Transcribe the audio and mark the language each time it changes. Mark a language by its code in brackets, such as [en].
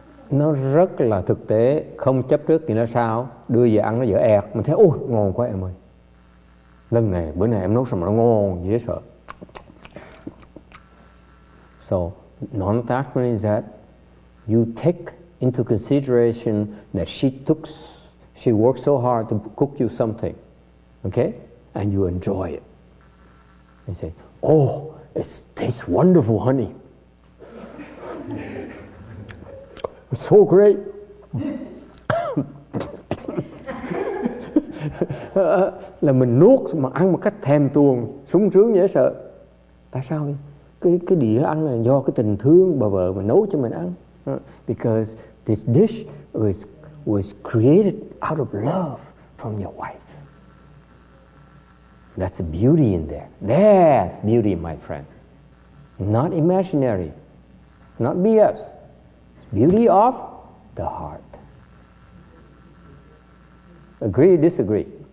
[vi] Nó rất là thực tế, không chấp trước thì nó sao? Đưa về ăn nó dở ẹt, mình thấy ôi ngon quá em ơi. Lần này, bữa này em nấu xong mà nó ngon, dễ sợ. [en] So, non-attachment is that you take into consideration that she worked so hard to cook you something, okay? And you enjoy it. You say, oh, it tastes wonderful, honey. So great. [vi] Là mình nuốt mà ăn một cách thèm tuồng, sung sướng dễ sợ. Tại sao? Cái đĩa ăn là do cái tình thương bà vợ mà nấu cho mình ăn. [en] Because this dish was created out of love from your wife. That's a beauty in there. That's beauty, my friend. Not imaginary. Not BS. Beauty of the heart. Agree, disagree?